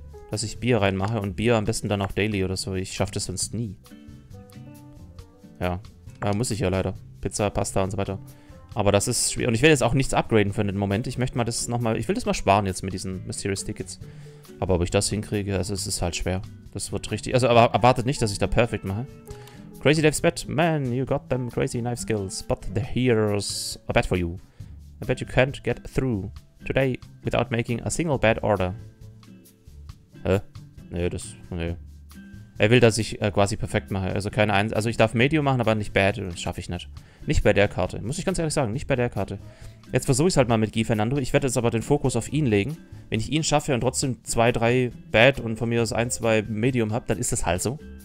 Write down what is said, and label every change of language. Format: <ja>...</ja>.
<de>Dass ich Bier reinmache und Bier am besten dann auch daily oder so. Ich schaffe das sonst nie. Ja. Aber muss ich ja leider. Pizza, Pasta und so weiter. Aber das ist schwierig. Und ich werde jetzt auch nichts upgraden für den Moment. Ich möchte mal das nochmal... Ich will das mal sparen jetzt mit diesen Mysterious Tickets. Aber ob ich das hinkriege, also es ist halt schwer. Das wird richtig... Also aber erwartet nicht, dass ich da perfekt mache.</de> <en>Crazy Dave's Bet. Man, you got them crazy knife skills. But the heroes are bad for you. I bet you can't get through today without making a single bad order.</en> <de>Hä? Nee, das... Nee. Er will, dass ich quasi perfekt mache. Also keine Eins. Also ich darf Medium machen, aber nicht Bad. Das schaffe ich nicht. Nicht bei der Karte. Muss ich ganz ehrlich sagen. Nicht bei der Karte. Jetzt versuche ich es halt mal mit Guy Fernando. Ich werde jetzt aber den Fokus auf ihn legen. Wenn ich ihn schaffe und trotzdem 2, 3 Bad und von mir aus 1, 2 Medium habe, dann ist das halt so.</de>